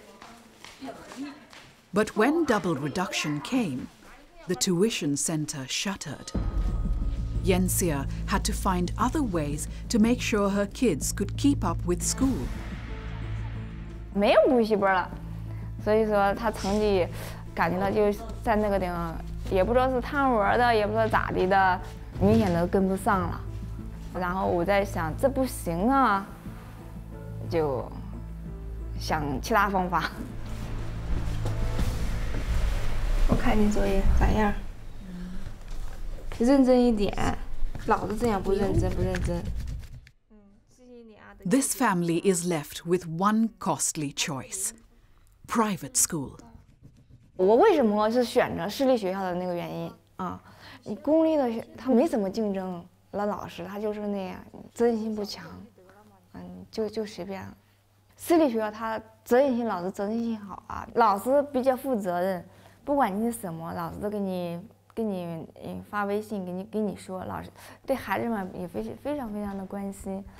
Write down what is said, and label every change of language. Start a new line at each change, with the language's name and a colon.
Chinese: 刚开始他那个成绩还可以，我就想把他的成绩再提升一点嘛。报了补习班之后，感觉那个成绩好像明显他就提高了。那时候好像就跟他班里面班级里面，意料之外，所以我就感觉到有点还可以。
English: But when double reduction came, the tuition center shuttered. Yanxia had to find other ways to make sure her kids could keep up with school.
Chinese: 没有补习班了，所以说她成绩感觉到就在那个地方，也不知道是贪玩的，也不知道咋的的。明显的跟不上了，然后我在想这不行啊，就想其他方法。我看你作业咋样？认真一点，老子这样不认真，不认真。
English: This family is left with one costly choice, private school.
Chinese: 我为什么是选择私立学校的那个原因啊？你公立的他没怎么竞争，那老师他就是那样，真心不强，嗯，就随便。私立学校他责任心，老师责任心好啊，老师比较负责任，不管你什么，老师都给你发微信，给你说，老师对孩子们也非常非常的关心。